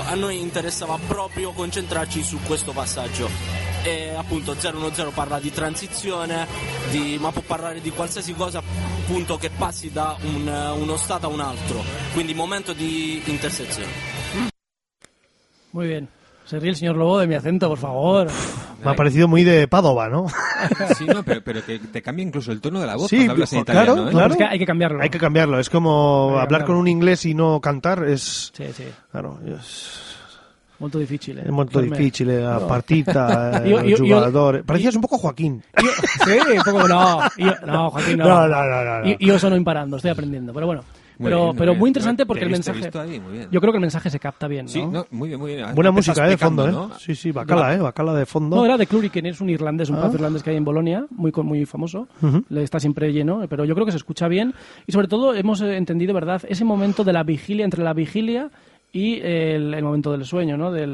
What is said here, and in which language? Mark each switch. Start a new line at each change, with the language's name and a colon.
Italian: A noi interessava proprio concentrarci su questo passaggio. E appunto 010 parla di transizione, ma può parlare di qualsiasi cosa, appunto, che passi da uno stato a un altro, quindi momento di intersezione.
Spanish: Muy bien. Se ríe el señor Lobo de mi acento, por favor. Me ha parecido muy de Padova, ¿no? Sí, no, pero que te cambia incluso el tono de la voz, sí, cuando hablas en claro, italiano, ¿eh? Claro. Es que hay que cambiarlo. Hay que cambiarlo. Es como hablar con un inglés y no cantar. Es... Sí, sí. Claro, es...
Italian: Molto difficile. È molto difficile la partita, il giocatore.
Spanish: Parecías
Italian: un po'
Spanish: Joaquín.
Italian: Sì, un po' no. Joaquín no.
Spanish: No.
Italian: Io sono imparando, sto apprendendo, però bueno.
Spanish: Pero muy interesante porque el mensaje. Yo creo que el mensaje se capta bien, ¿no? Sí, muy bien, muy bien. Buena música de fondo, ¿eh? Sí, sí, bacala, ¿eh? Bacala de fondo. No, era de Clury, que es un irlandés, un pub irlandés que hay en Bolonia, muy, muy famoso. Le está siempre lleno, pero yo creo que se escucha bien. Y sobre todo hemos entendido, ¿verdad?, ese momento de la vigilia, entre la vigilia y el momento del sueño, ¿no?